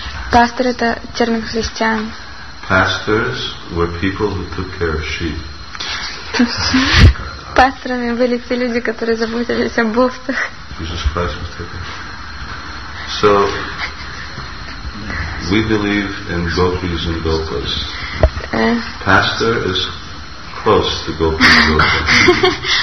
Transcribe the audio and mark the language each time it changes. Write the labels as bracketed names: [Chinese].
[Russian] Пастор это термин христиан. [English] Pastors were people who took care of sheep. [Russian] Пасторами были те люди, которые заботились об овцах. [English] Jesus Christ was taken. So we believe in gopis and gopas. Pastor is close to gopis and gopas.